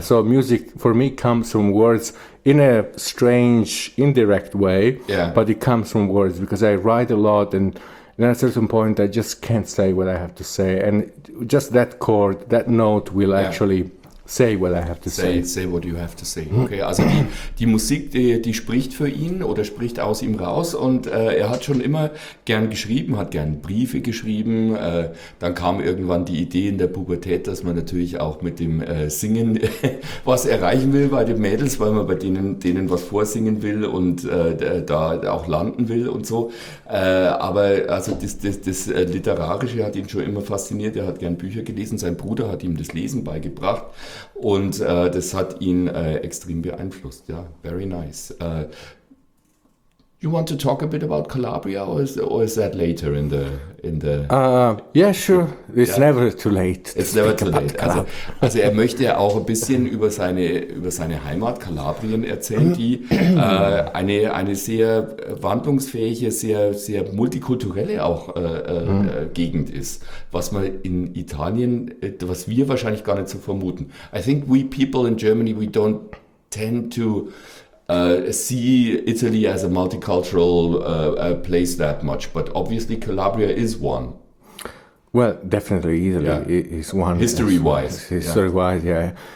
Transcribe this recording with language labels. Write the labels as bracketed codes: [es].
[en] So music for me comes from words in a strange, indirect way, but it comes from words, because I write a lot, and at a certain point I just can't say what I have to say, and just that chord, that note will actually say what I have to say. Say what you have to say. [de] Okay, also die Musik, die spricht für ihn oder spricht aus ihm raus. Und er hat schon immer gern geschrieben, hat gern Briefe geschrieben. Dann kam irgendwann die Idee in der Pubertät, dass man natürlich auch mit dem Singen was erreichen will bei den Mädels, weil man bei denen was vorsingen will und da auch landen will und so. Aber also das Literarische hat ihn schon immer fasziniert. Er hat gern Bücher gelesen. Sein Bruder hat ihm das Lesen beigebracht. Und das hat ihn extrem beeinflusst, ja, [en] very nice. You want to talk a bit about Calabria, or is that later in the? Yeah, sure, it's never too late. It's never too late. [de] Also er möchte ja auch ein bisschen über seine Heimat Kalabrien erzählen, die eine sehr wandlungsfähige, sehr, sehr multikulturelle auch Gegend ist, was man in Italien, was wir wahrscheinlich gar nicht so vermuten. [en] I think we people in Germany, we don't tend to see Italy as a multicultural place that much, but obviously Calabria is one. Well, definitely Italy is one. History-wise. History-wise, yeah.